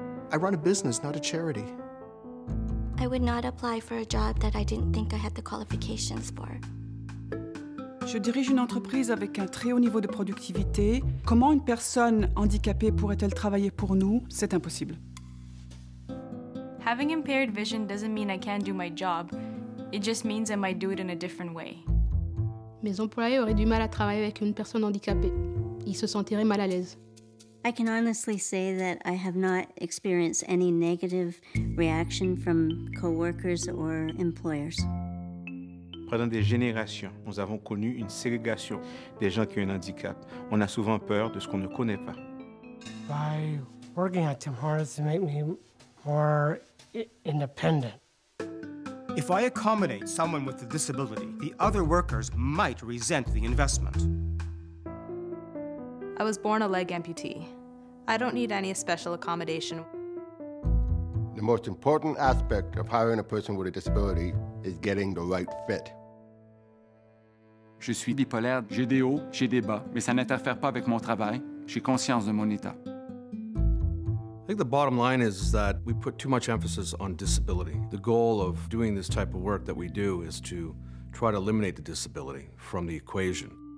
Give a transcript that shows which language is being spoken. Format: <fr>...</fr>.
<en>I run a business, not a charity. I would not apply for a job that I didn't think I had the qualifications for.</en> <fr>Je dirige une entreprise avec un très haut niveau de productivité. Comment une personne handicapée pourrait-elle travailler pour nous? C'est impossible.</fr> <en>Having impaired vision doesn't mean I can't do my job. It just means I might do it in a different way.</en> <fr>Mes employés auraient du mal à travailler avec une personne handicapée. Ils se sentiraient mal à l'aise.</fr> <en>I can honestly say that I have not experienced any negative reaction from coworkers or employers.</en> <fr>Pendant des générations, nous avons connu une ségrégation des gens qui ont un handicap. On a souvent peur de ce qu'on ne connaît pas.</fr> <en>By working at Tim Hortons, it makes me more independent. If I accommodate someone with a disability, the other workers might resent the investment. I was born a leg amputee. I don't need any special accommodation. The most important aspect of hiring a person with a disability is getting the right fit.</en> <fr>Je suis bipolaire. J'ai des hauts, j'ai des bas, mais ça n'interfère pas avec mon travail. J'ai conscience de mon état.</fr> <en>I think the bottom line is that we put too much emphasis on disability. The goal of doing this type of work that we do is to try to eliminate the disability from the equation.</en>